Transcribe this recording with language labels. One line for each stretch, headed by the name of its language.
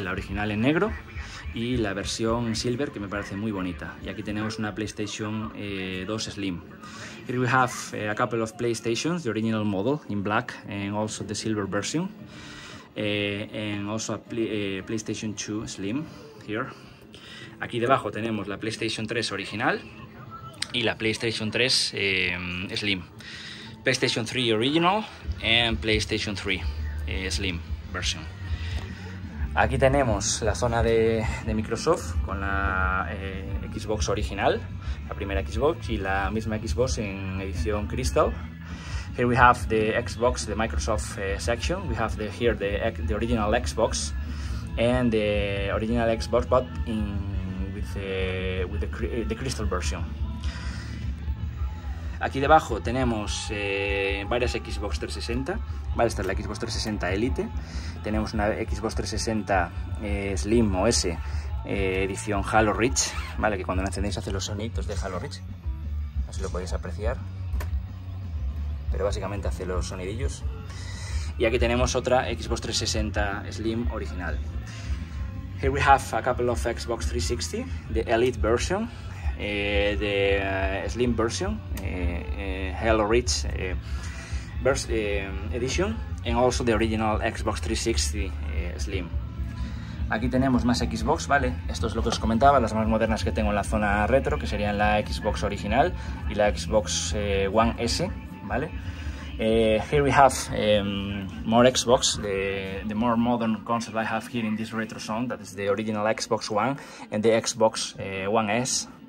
Spanish: La original en negro y la versión silver, que me parece muy bonita. Y aquí tenemos una PlayStation 2 Slim.
English: Here we have a couple of PlayStations, the original model in black and also the silver version. And also a PlayStation 2 Slim here.
Spanish: Aquí debajo tenemos la PlayStation 3 original y la PlayStation 3 Slim.
English: PlayStation 3 original and PlayStation 3 Slim version.
Spanish: Aquí tenemos la zona de Microsoft con la Xbox original, la primera Xbox, y la misma Xbox en edición Crystal.
English: Here we have the Xbox, the Microsoft section. We have the original Xbox and the original Xbox, but with the Crystal version.
Spanish: Aquí debajo tenemos varias Xbox 360, vale, esta es la Xbox 360 Elite, tenemos una Xbox 360 Slim OS edición Halo Reach, vale, que cuando la encendéis hace los sonidos de Halo Reach, no sé si lo podéis apreciar, pero básicamente hace los sonidillos. Y aquí tenemos otra Xbox 360 Slim original.
English: Here we have a couple of Xbox 360, the Elite version, the Slim version, Halo Reach edition, and also the original Xbox 360 Slim.
Spanish: Aquí tenemos más Xbox, vale. Esto es lo que os comentaba, las más modernas que tengo en la zona retro, que serían la Xbox original y la Xbox One S, vale.
English: Here we have more Xbox, the more modern console I have here in this retro zone, that is the original Xbox One and the Xbox One S.